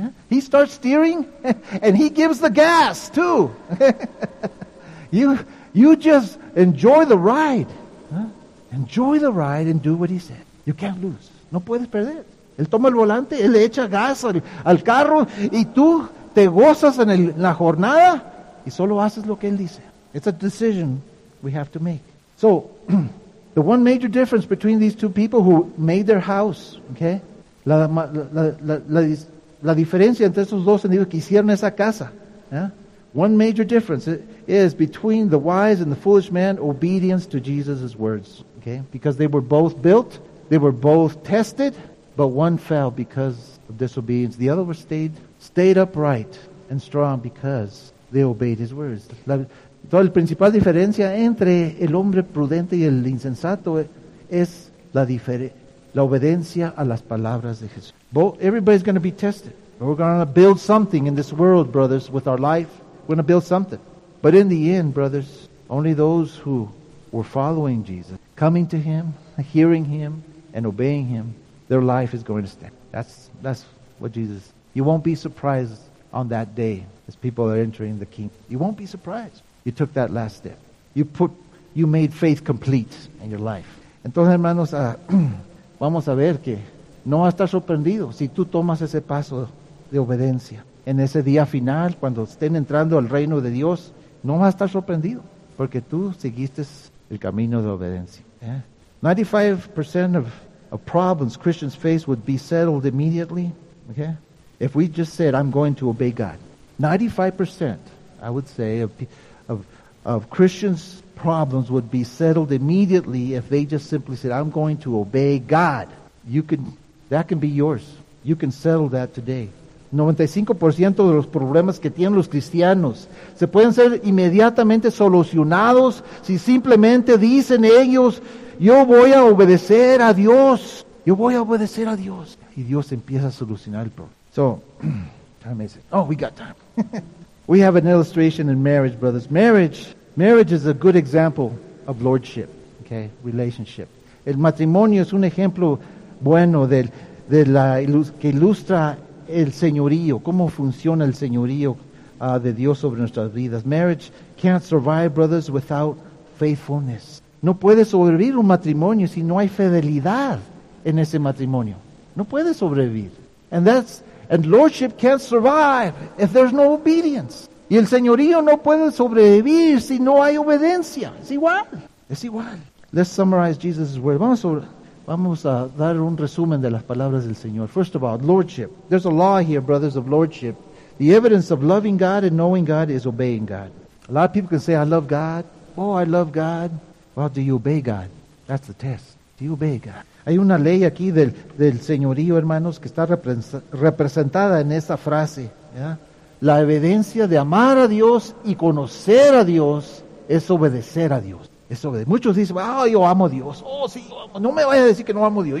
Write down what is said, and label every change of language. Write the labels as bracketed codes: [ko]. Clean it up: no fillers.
[en] He starts steering and he gives the gas too. You just enjoy the ride. Enjoy the ride and do what he said. You can't lose. [es] No puedes perder. Él toma el volante, él le echa gas al carro y tú te gozas en la jornada y solo haces lo que él dice. [en] It's a decision we have to make. So, the one major difference between these two people who made their house, okay? [es] La diferencia entre estos dos individuos que hicieron esa casa. [en] One major difference is between the wise and the foolish man, obedience to Jesus' words, okay? Because they were both built, they were both tested, but one fell because of disobedience. The other stayed upright and strong because they obeyed his words. [es] Entonces, la principal diferencia entre el hombre prudente y el insensato es la obediencia a las palabras de Jesús. [en] Everybody's going to be tested. We're going to build something in this world, brothers, with our life. We're going to build something. But in the end, brothers, only those who were following Jesus, coming to Him, hearing Him, and obeying Him, their life is going to stand. That's what Jesus... You won't be surprised on that day as people are entering the kingdom. You won't be surprised. You took that last step. You made faith complete in your life. [es] Entonces, hermanos, vamos a ver que no va a estar sorprendido si tú tomas ese paso de obediencia. En ese día final, cuando estén entrando al reino de Dios, no va a estar sorprendido porque tú seguiste el camino de obediencia. [en] 95% of problems Christians face would be settled immediately, okay? If we just said, I'm going to obey God. 95%, I would say, of Christians' problems would be settled immediately if they just simply said, I'm going to obey God. That can be yours. You can settle that today. [es] 95% de los problemas que tienen los cristianos se pueden ser inmediatamente solucionados si simplemente dicen ellos, yo voy a obedecer a Dios. Yo voy a obedecer a Dios. Y Dios empieza a solucionar el problema. [en] So, time is it. Oh, we got time. We have an illustration in marriage, brothers. Marriage is a good example of lordship, okay, relationship. [es] El matrimonio es un ejemplo bueno que ilustra el señorío, cómo funciona el señorío de Dios sobre nuestras vidas. [en] Marriage can't survive, brothers, without faithfulness. [es] No puede sobrevivir un matrimonio si no hay fidelidad en ese matrimonio. No puede sobrevivir. [en] And lordship can't survive if there's no obedience. [es] Y el señorío no puede sobrevivir si no hay obediencia. Es igual. Es igual. [en] Let's summarize Jesus' word. [es] Vamos a dar un resumen de las palabras del Señor. [en] First of all, lordship. There's a law here, brothers, of lordship. The evidence of loving God and knowing God is obeying God. A lot of people can say, I love God. Oh, I love God. Well, do you obey God? That's the test. Do you obey God? [es] Hay una ley aquí del señorío, hermanos, que está representada en esa frase. ¿Ya? La evidencia de amar a Dios y conocer a Dios es obedecer a Dios. Muchos dicen, ah, oh, yo amo a Dios. Oh, sí, yo amo. No me vaya a decir que no amo a Dios.